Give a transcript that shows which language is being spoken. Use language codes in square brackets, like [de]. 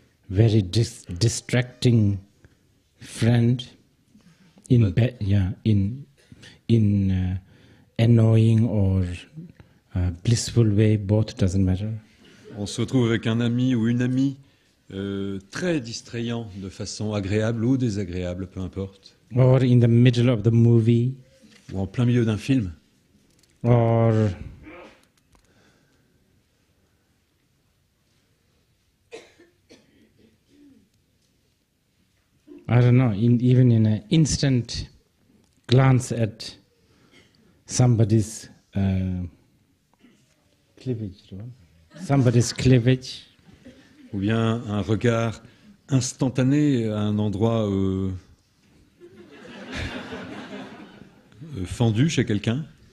[en] Very distracting friend in annoying or blissful way, both doesn't matter. [fr] On se retrouve avec un ami ou une amie très distrayant de façon agréable ou désagréable, peu importe. [en] Or in the middle of the movie. [fr] Ou en plein milieu d'un film. [en] Or I don't know, even in an instant glance at somebody's cleavage. [fr] Ou bien un regard instantané à un endroit fendu chez quelqu'un.